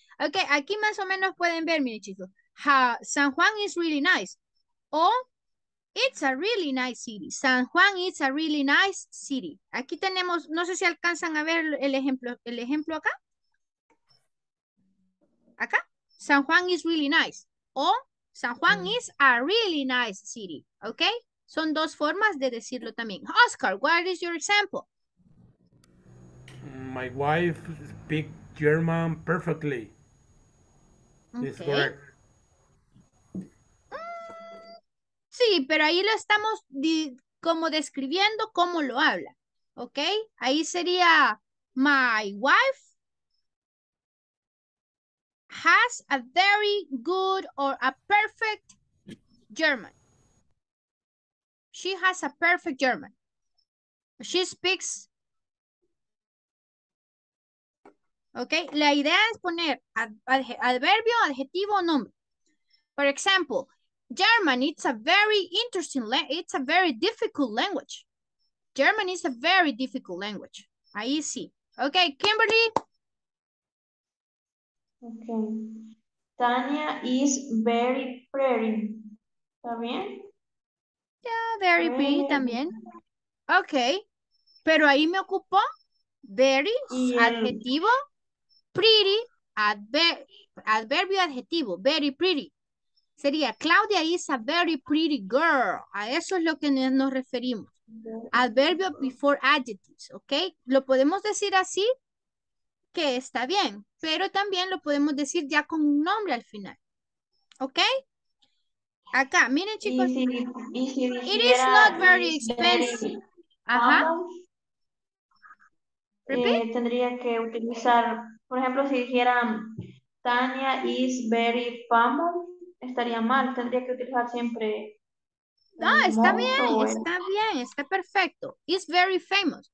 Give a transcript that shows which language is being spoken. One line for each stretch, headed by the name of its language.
Spanish: Okay, aquí más o menos pueden ver, miren chicos.
English: San Juan is really nice. O it's a really nice city. San Juan is a really nice city.
Spanish: Aquí tenemos, no sé si alcanzan a ver el ejemplo acá.
English: Acá. San Juan is really nice. O San Juan is a really nice city.
Spanish: Okay? Son dos formas de decirlo también. Oscar,
English: what is your example? My wife speaks German perfectly. Okay. It's correct.
Spanish: Sí, pero ahí lo estamos como describiendo cómo lo habla.
English: Okay?
Spanish: Ahí sería
English: my wife has a very good or a perfect German. She has a perfect German. She speaks.
Spanish: Okay, la idea es poner adverbio, adjetivo, nombre.
English: For example, German, it's a very difficult language. German is a very difficult language.
Spanish: Ahí sí.
English: Okay, Kimberly. Okay. Tania is very pretty.
Spanish: ¿Está bien?
English: Yeah, very pretty
Spanish: también. Okay. Pero ahí me ocupo very, adjetivo, pretty, adverbio, adjetivo, very pretty. Sería
English: Claudia is a very pretty girl.
Spanish: A eso es lo que nos referimos.
English: Adverbio before adjectives, okay?
Spanish: Lo podemos decir así, que está bien, pero también lo podemos decir ya con un nombre al final.
English: Okay?
Spanish: Acá, miren chicos,
English: it is not very expensive. Ajá.
Spanish: Tendría que utilizar, por ejemplo, si dijeran Tania is very famous, estaría mal, tendría que utilizar siempre. No, está bien, está bien, está perfecto.
English: Is very famous.